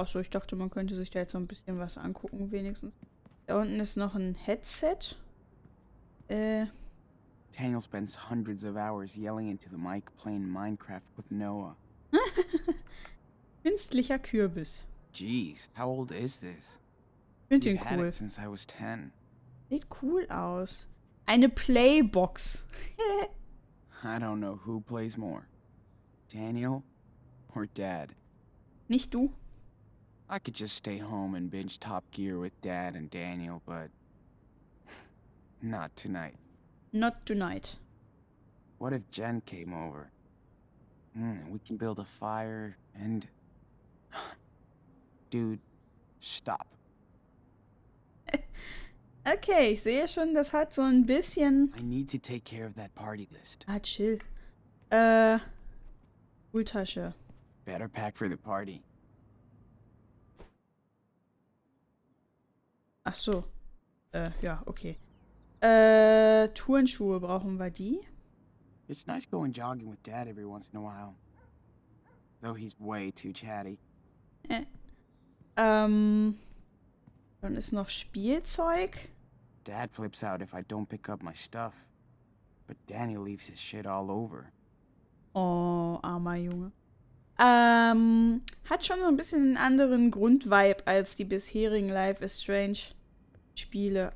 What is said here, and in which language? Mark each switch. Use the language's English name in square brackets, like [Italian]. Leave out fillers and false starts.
[German] Achso, ich dachte, man könnte sich da jetzt so ein bisschen was angucken, wenigstens. Da unten ist noch ein Headset. [English] Daniel spends hundreds of hours yelling into the mic playing Minecraft with Noah. [German] Künstlicher Kürbis. [English] Jeez, how old is this? [German] Find den cool. [English] Had it since I was 10. [German] Sieht cool aus. Eine Playbox. [English] I don't know who plays more. Daniel or Dad. [German] Nicht du. [English] I could just stay home and binge Top Gear with Dad and Daniel, but not tonight. Not tonight. What if Jen came over? We can build a fire and... Dude, stop. [German] Okay, ich sehe schon, das hat so ein bisschen... [English] I need to take care of that party list. [German] Ah, chill. Schultasche. [English] Better pack for the party. [German] Ach so. Ja, okay. Turnschuhe, brauchen wir die? [English] It's nice going jogging with Dad every once in a while. Though he's way too chatty. [German] Dann ist noch Spielzeug. [English] Dad flips out if I don't pick up my stuff. But Daniel leaves his shit all over. [German] Oh, armer Junge. Hat schon so ein bisschen einen anderen Grundvibe als die bisherigen Life is Strange Spiele.